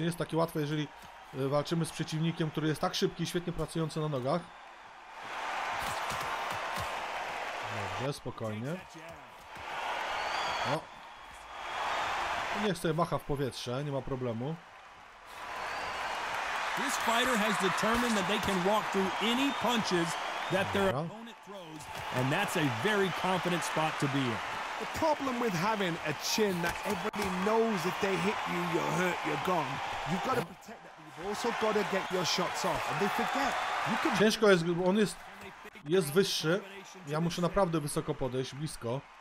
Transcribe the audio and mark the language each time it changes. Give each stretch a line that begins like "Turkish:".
Polish: Nie jest takie łatwe, jeżeli walczymy z przeciwnikiem, który jest tak szybki i świetnie pracujący na nogach. Dobrze, spokojnie. No. Niech sobie macha w powietrze, nie ma problemu.
English: This fighter has determined that they can walk through any punches that their opponent throws, and that's a very confident spot to be in. The problem with having a chin that everybody knows if they hit you, you're hurt, you're gone. You've got to protect that. You've also got to get your shots off. And they forget. You can...
Polish: Ciężko jest, on jest wyższy. Ja muszę naprawdę wysoko podejść, blisko.